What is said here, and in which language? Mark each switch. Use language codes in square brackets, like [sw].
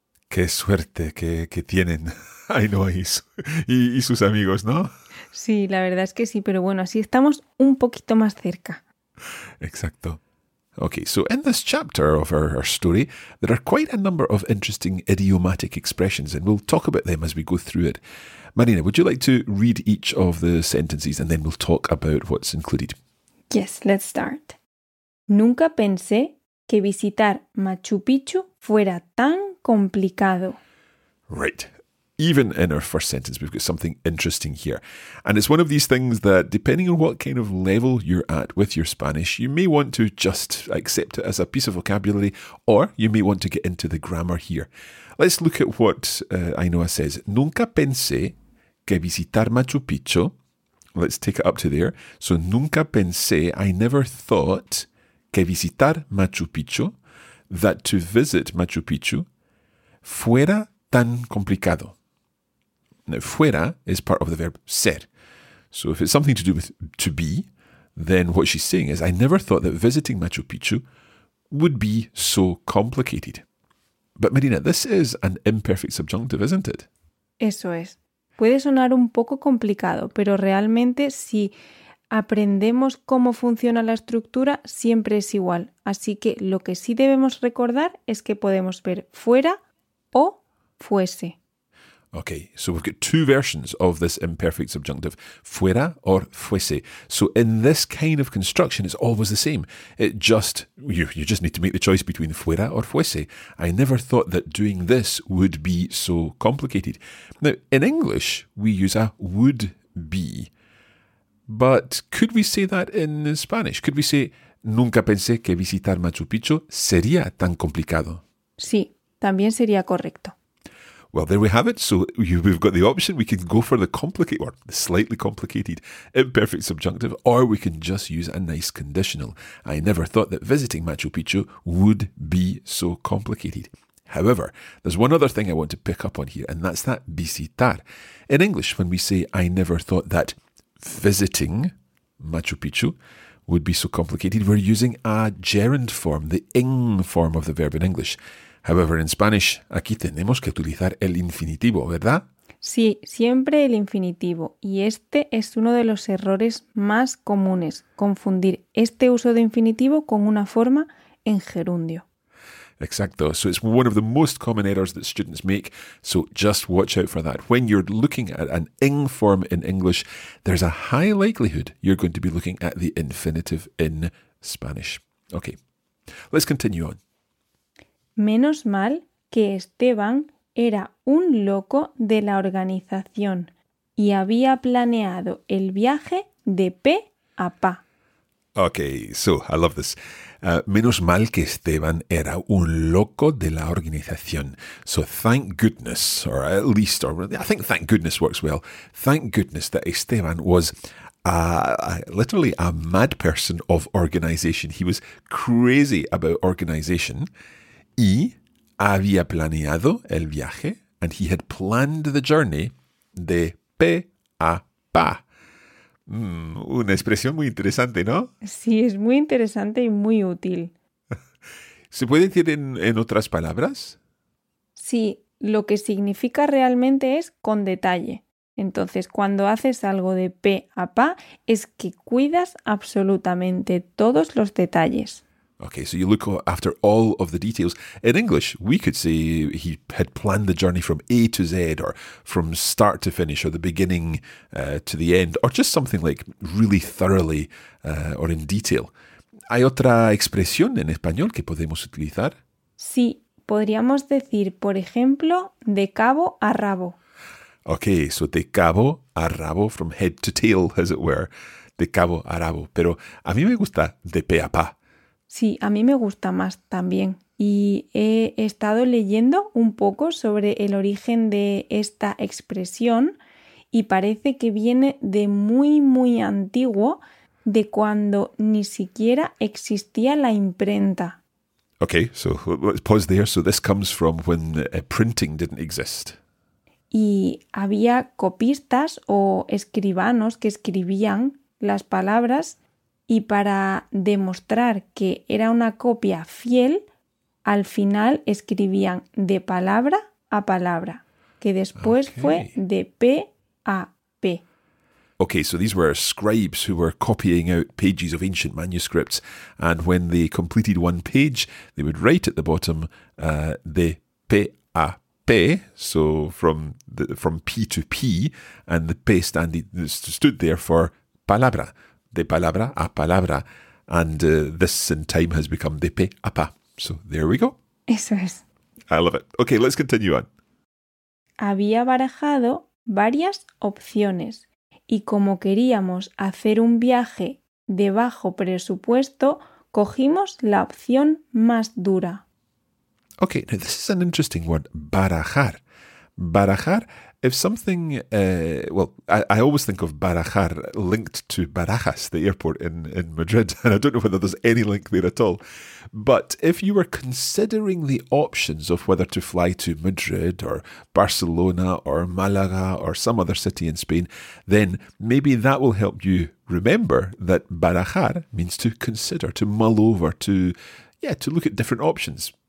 [es] ¡Qué suerte que tienen Ainhoa y sus amigos!, ¿no? Sí, la verdad es que sí, pero bueno, así estamos un poquito más cerca. Exacto. [en] Okay, so in this chapter of our story, there are quite a number of interesting idiomatic expressions, and we'll talk about them as we go through it. Marina, would you like to read each of the sentences, and then we'll talk about what's included? Yes, let's start. [es] Nunca pensé que visitar Machu Picchu fuera tan complicado. [en] Right. Even in our first sentence, we've got something interesting here. And it's one of these things that, depending on what kind of level you're at with your Spanish, you may want to just accept it as a piece of vocabulary, or you may want to get into the grammar here. Let's look at what Ainhoa says. [es] Nunca pensé que visitar Machu Picchu. [en] Let's take it up to there. So, [es] nunca pensé, [en] I never thought, [es] que visitar Machu Picchu, [en] that to visit Machu Picchu, [es] fuera tan complicado. [en] Now, fuera is part of the verb ser. So if it's something to do with to be, then what she's saying is, I never thought that visiting Machu Picchu would be so complicated. But Marina, this is an imperfect subjunctive, isn't it? [es] Eso es. Puede sonar un poco complicado, pero realmente si aprendemos cómo funciona la estructura, siempre es igual. Así que lo que sí debemos recordar es que podemos ver fuera o fuese. [en] Okay, so we've got two versions of this imperfect subjunctive, fuera or fuese. So in this kind of construction, it's always the same. It just, you just need to make the choice between fuera or fuese. I never thought that doing this would be so complicated. Now, in English, we use a would be. But could we say that in Spanish? Could we say, [es] nunca pensé que visitar Machu Picchu sería tan complicado? Sí, también sería correcto. [en] Well, there we have it. So we've got the option. We can go for the complicated or the slightly complicated imperfect subjunctive, or we can just use a nice conditional. I never thought that visiting Machu Picchu would be so complicated. However, there's one other thing I want to pick up on here, and that's that visitar. In English, when we say I never thought that visiting Machu Picchu would be so complicated, we're using a gerund form, the ing form of the verb in English. However, in Spanish, [es] aquí tenemos que utilizar el infinitivo, ¿verdad? Sí, siempre el infinitivo. Y este es uno de los errores más comunes, confundir este uso de infinitivo con una forma en gerundio. Exacto. [en] So it's one of the most common errors that students make. So just watch out for that. When you're looking at an ing form in English, there's a high likelihood you're going to be looking at the infinitive in Spanish. Okay, let's continue on. [es] Menos mal que Esteban era un loco de la organización y había planeado el viaje de pe a pa. [en] Okay, so I love this. [es] Menos mal que Esteban era un loco de la organización. [en] So thank goodness, or at least, or I think thank goodness works well. Thank goodness that Esteban was literally a mad person of organization. He was crazy about organization. [es] Y había planeado el viaje, [en] and he had planned the journey [es] de pe a pa. Una expresión muy interesante, ¿no? Sí, es muy interesante y muy útil. ¿Se puede decir en otras palabras? Sí, lo que significa realmente es con detalle. Entonces, cuando haces algo de pe a pa, es que cuidas absolutamente todos los detalles. [en] Okay, so you look after all of the details. In English, we could say he had planned the journey from A to Z, or from start to finish, or the beginning to the end, or just something like really thoroughly or in detail. [es] ¿Hay otra expresión en español que podemos utilizar? Sí, podríamos decir, por ejemplo, de cabo a rabo. [en] Okay, so [es] de cabo a rabo, [en] from head to tail, as it were. [es] De cabo a rabo. Pero a mí me gusta de pe a pa. Sí, a mí me gusta más también. Y he estado leyendo un poco sobre el origen de esta expresión y parece que viene de muy, muy antiguo, de cuando ni siquiera existía la imprenta. [en] Okay, so let's pause there. So this comes from when printing didn't exist. [es] Y había copistas o escribanos que escribían las palabras. Y para demostrar que era una copia fiel, al final escribían de palabra a palabra, que después okay. Fue de P a P. [en] Okay, so these were scribes who were copying out pages of ancient manuscripts, and when they completed one page, they would write at the bottom de P a P. P, so from P to P, and the P stood there for palabra. [es] De palabra a palabra. [en] And this in time has become [es] de pe a pa. [en] So there we go. [es] Eso es. [en] I love it. Okay, let's continue on. [es] había barajado varias opciones y como queríamos hacer un viaje de bajo presupuesto, cogimos la opción más dura. [en] Ok, now this is an interesting word, barajar. Barajar, if something, I always think of barajar linked to Barajas, the airport in Madrid, and I don't know whether there's any link there at all. But if you were considering the options of whether to fly to Madrid or Barcelona or Malaga or some other city in Spain, then maybe that will help you remember that barajar means to consider, to mull over, to look at different options.